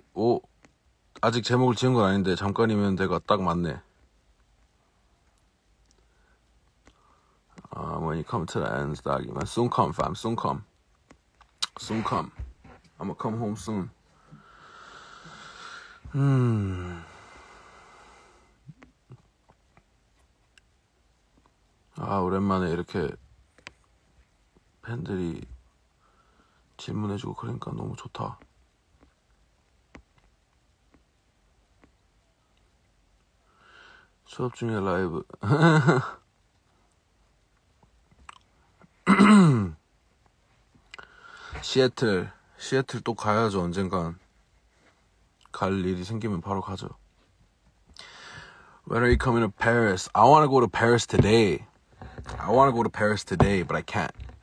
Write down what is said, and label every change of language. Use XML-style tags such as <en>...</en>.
<ko>오, 아직 제목을 지은 건 아닌데 잠깐이면 돼가 딱 맞네.</ko> <en>아, when you come to the end,</en> <ko>딱이면</ko> <en>soon come, fam, soon come, soon come, I'ma come home soon.</en> <ko>아, 오랜만에 이렇게 팬들이 질문해주고 그러니까 너무 좋다. 수업 중에 라이브. 시애틀 또 가야죠. 언젠간 갈 일이 생기면 바로 가죠.</ko> <en>When are you coming to Paris? I wanna go to Paris today. I wanna go to Paris today, but I can't.</en>